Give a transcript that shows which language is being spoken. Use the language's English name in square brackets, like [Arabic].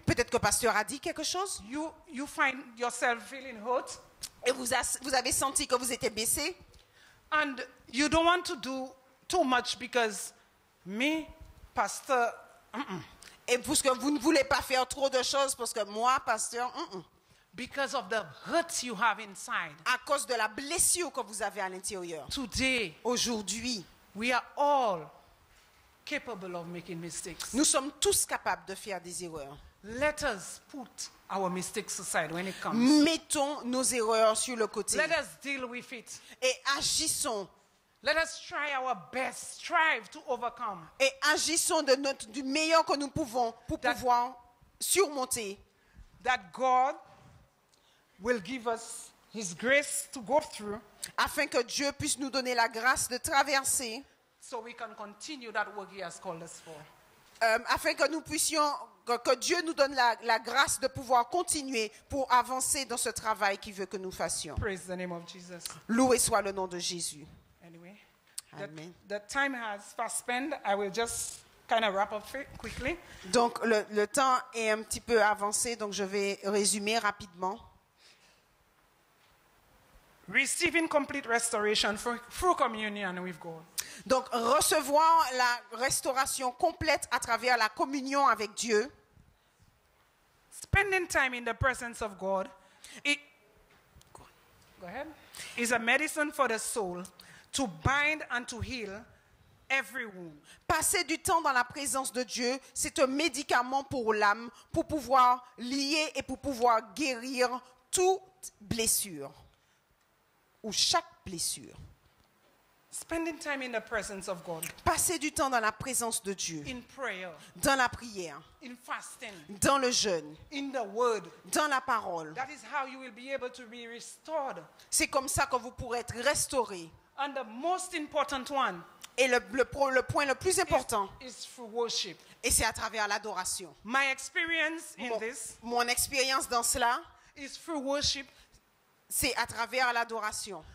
[French] Peut-être que pasteur a dit quelque chose. [English] You find yourself feeling hurt. [French] Et vous avez senti que vous étiez blessé. [English] And you don't want to do too much because me, pasteur. [French] Et parce que vous ne voulez pas faire trop de choses parce que moi, pasteur. [English] Because of the hurts you have inside. [French] À cause de la blessure que vous avez à l'intérieur. [English] Today, [French] aujourd'hui, [English] we are all capable of making mistakes. [French] Nous sommes tous capables de faire des erreurs. [English] Let us put our mistakes aside when it comes. [French] Mettons nos erreurs sur le côté. [English] Let us deal with it. [French] Et agissons. [English] Let us try our best, strive to overcome. [French] Et agissons de notre du meilleur que nous pouvons pour that, pouvoir surmonter. [English] That God will give us his grace to go through, [French] afin que Dieu puisse nous donner la grâce de traverser, [English] so we can continue that work he has called us for. [French] Afin que nous puissions, que Dieu nous donne la grâce de pouvoir continuer pour avancer dans ce travail qu'il veut que nous fassions. [English] Praise the name of Jesus. [French] Loué soit le nom de Jésus. [English] Anyway, [French] amen. [English] The time has fast spent. I will just kind of wrap up quickly. [French] Donc le temps est un petit peu avancé, donc je vais résumer rapidement. [English] Receiving complete restoration through communion with God. [French] Donc recevoir la restauration complète à travers la communion avec Dieu. [English] Spending time in the presence of God. Go ahead. Is a medicine for the soul to bind and to heal every wound. [French] Passer du temps dans la présence de Dieu, c'est un médicament pour l'âme pour pouvoir lier et pour pouvoir guérir toute blessure. Ou chaque blessure. [English] Spending time in the presence of God. [French] Passer du temps dans la présence de Dieu. [English] In prayer. [French] Dans la prière. [English] In fasting. [French] Dans le jeûne. [English] In the word. [French] Dans la parole. [English] That is how you will be able to be restored. [French] C'est comme ça que vous pourrez être restauré. [English] And the most important one. [French] Et le point le plus important. [English] Is through worship. [French] Et c'est à travers l'adoration. [English] My experience in this. [French] Mon expérience dans cela. [English] Is through worship. [French] C'est à travers l'adoration.